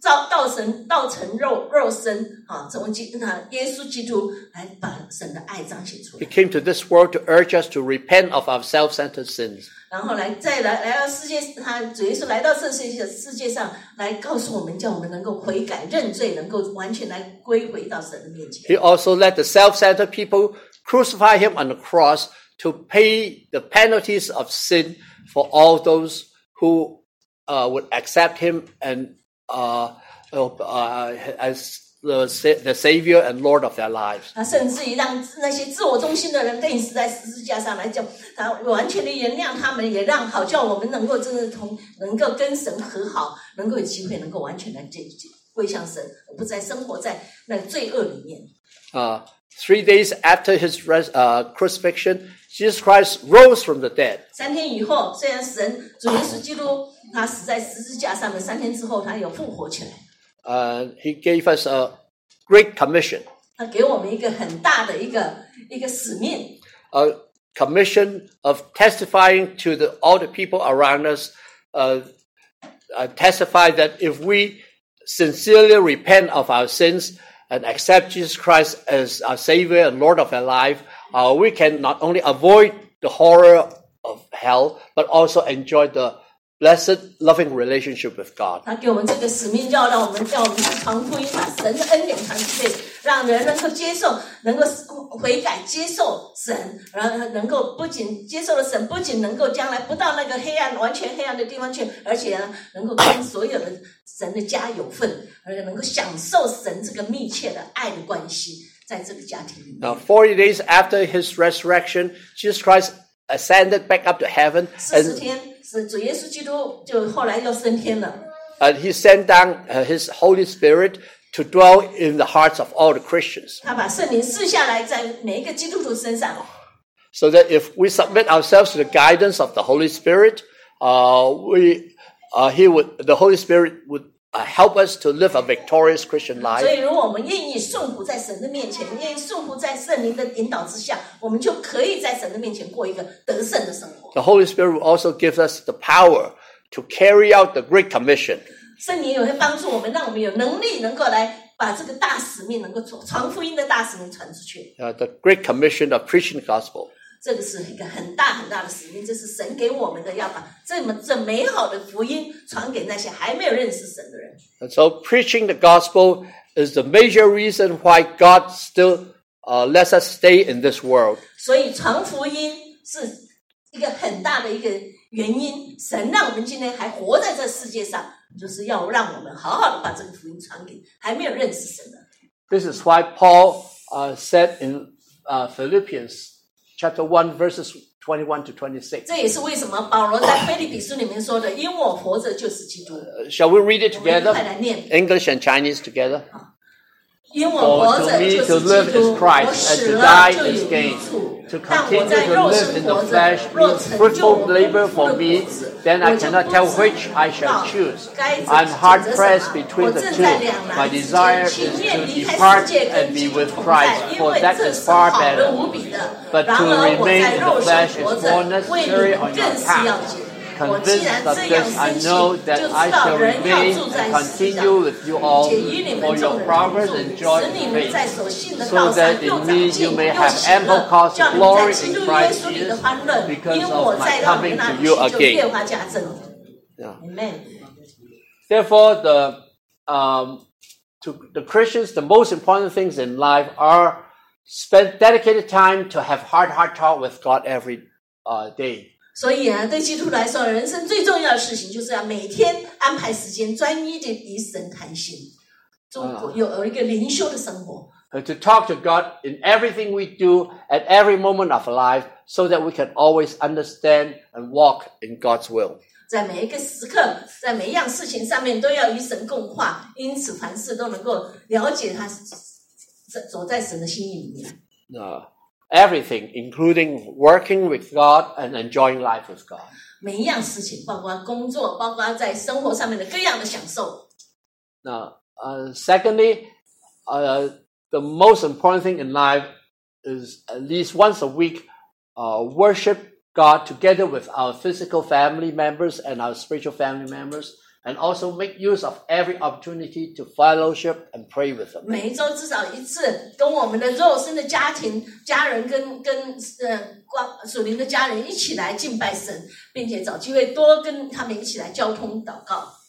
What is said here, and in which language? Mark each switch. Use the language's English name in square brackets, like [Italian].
[Chinese] 道神道成肉肉身啊，从基那耶稣基督来把神的爱彰显出来。 [English] He came to this world to urge us to repent of our self-centered sins. [Chinese] 然后来再来来到世界，他主耶稣来到这世界上来告诉我们，叫我们能够悔改认罪，能够完全来归回到神的面前。 [English] He also let the self-centered people crucify him on the cross to pay the penalties of sin for all those who would accept him and. As the Savior and Lord of their lives. [Chinese] 甚至于让那些自我中心的人钉死在十字架上来叫他完全的原谅他们，也让好叫我们能够真的同能够跟神和好，能够有机会能够完全的归向神，不再生活在那个罪恶里面。 [English] Three days after his crucifixion, Jesus Christ rose from the dead. [Chinese] 三天以后，虽然神主耶稣基督他死在十字架上面，三天之后他又复活起来。 [English] He gave us a great commission. [Chinese] 他给我们一个很大的一个使命。 [English] A commission of testifying to all the people around us, testify that if we sincerely repent of our sins. And accept Jesus Christ as our Savior and Lord of our life, we can not only avoid the horror of hell, but also enjoy the blessed, loving relationship with God. He gave us this mission, [Chinese] 叫我们去传福音，把神的恩典传出去，让人能够接受，能够悔改，接受神，然后能够不仅接受了神，不仅能够将来不到那个黑暗完全黑暗的地方去，而且能够跟所有的神的家有份，而且能够享受神这个密切的爱的关系，在这个家庭里面。 [English] Now, 40 days after his resurrection, Jesus Christ ascended back up to heaven. 40 days. [Chinese] 主耶稣基督就后来又升天了。 [English] And he sent down his Holy Spirit to dwell in the hearts of all the Christians. [Chinese] 他把圣灵赐下来在每一个基督徒身上。 [English] So that if we submit ourselves to the guidance of the Holy Spirit, the Holy Spirit would help us to live a victorious Christian life. [Chinese] 所以如果我们愿意顺服在神的面前，愿意顺服在圣灵的引导之下，我们就可以在神的面前过一个得胜的生活。 [English] The Holy Spirit will also give us the power to carry out the Great Commission. [Chinese] 圣灵也会帮助我们，让我们有能力能够来把这个大使命能够做，传福音的大使命传出去。 [English] The Great Commission of preaching the gospel. [Chinese] 这个是一个很大很大的使命，这是神给我们的，要把这美好的福音传给那些还没有认识神的人。 [English] And so preaching the gospel is the major reason why God still lets us stay in this world. [Chinese] 所以传福音是一个很大的一个原因，神让我们今天还活在这世界上，就是要让我们好好的把这个福音传给还没有认识神的。 [English] This is why Paul said in Philippians chapter 1 verses 21 to 26. [Chinese] 这也是为什么保罗在腓立比书里面说的，因我活着就是基督。 [English] Shall we read it together? [Chinese] 我们一块来念。 [English] English and Chinese together. [Chinese] 因我活着就是基督。 [English] To live is Christ, and to die is gain. To continue to live in the flesh means fruitful labor for me, then I cannot tell which I shall choose. I'm hard-pressed between the two. My desire is to depart and be with Christ, for that is far better. But to remain in the flesh is more necessary on your path. Convinced of this, I know that I shall remain and continue with you all for your progress and joy in faith, so that in me you may have ample cause to glory in Christ Jesus because of my coming to you again. Amen. Therefore, to the Christians, the most important things in life are spend dedicated time to have heart-to-heart talk with God every day. [Chinese] 所以啊，对基督来说，人生最重要的事情就是要每天安排时间，专一的与神谈心，有一个灵修的生活。 [English] To talk to God in everything we do at every moment of life, so that we can always understand and walk in God's will. [Chinese] 在每一个时刻，在每一样事情上面，都要与神共话，因此凡事都能够了解他走在神的心意里面。 [English] Everything, including working with God and enjoying life with God. [Chinese] 每一样事情，包括工作，包括在生活上面的各样的享受。 [English] Secondly, the most important thing in life is at least once a week, worship God together with our physical family members and our spiritual family members And also make use of every opportunity to fellowship and pray with them. [Chinese] 每周至少一次跟我们的肉身的家庭家人跟属灵的家人一起来敬拜神，并且找机会多跟他们一起来交通祷告。